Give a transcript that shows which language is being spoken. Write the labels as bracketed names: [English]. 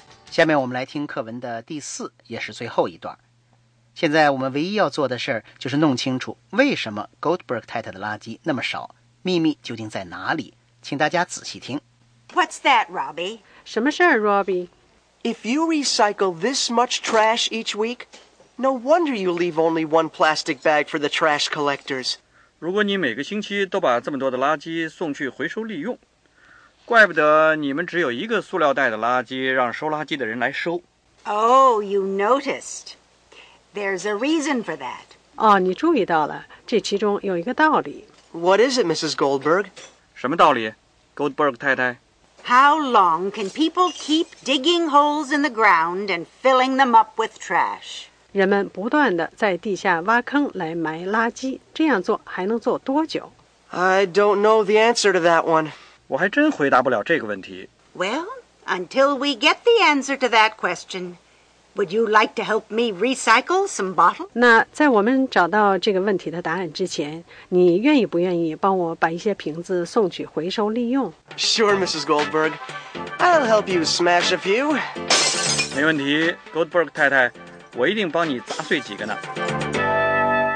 [Chinese] 下面我们来听课文的第四，也是最后一段。现在我们唯一要做的事就是弄清楚为什么 Goldberg 太太的垃圾那么少，秘密究竟在哪里？请大家仔细听。 [English] What's that, Robbie? [Chinese] 什么事儿 ，Robbie? [English] If you recycle this much trash each week, no wonder you leave only one plastic bag for the trash collectors. [Chinese] 如果你每个星期都把这么多的垃圾送去回收利用，怪不得你们只有一个塑料袋的垃圾让收垃圾的人来收。 [English] Oh, you noticed. There's a reason for that. [Chinese] 哦，你注意到了，这其中有一个道理。 [English] What is it, Mrs. Goldberg? [Chinese] 什么道理 ，Goldberg 太太 [English] ？How long can people keep digging holes in the ground and filling them up with trash? [Chinese] 人们不断地在地下挖坑来埋垃圾，这样做还能做多久 [English] ？I don't know the answer to that one. [Chinese] 我还真回答不了这个问题。 [English] Well, until we get the answer to that question, would you like to help me recycle some bottles? [Chinese] 那在我们找到这个问题的答案之前，你愿意不愿意帮我把一些瓶子送去回收利用 [English] ？Sure, Mrs. Goldberg. I'll help you smash a few. [Chinese] 没问题 ，Goldberg 太太，我一定帮你砸碎几个呢。